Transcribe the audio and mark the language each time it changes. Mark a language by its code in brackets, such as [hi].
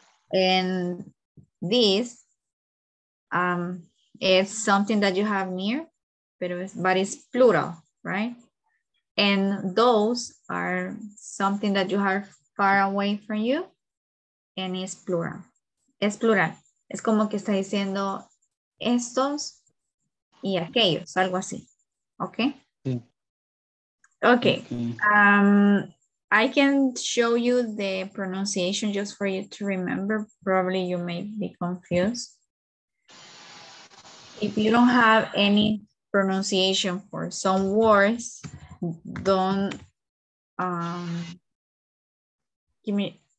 [en] And this. It's something that you have near, but it's plural, right? And those are something that you have far away from you, and it's plural. [es] Es plural. Es como que está diciendo estos y aquellos, algo así. [en] Okay? [es] Sí. [en] Okay. I can show you the pronunciation just for you to remember. Probably you may be confused. If you don't have any pronunciation for some words, don't give me.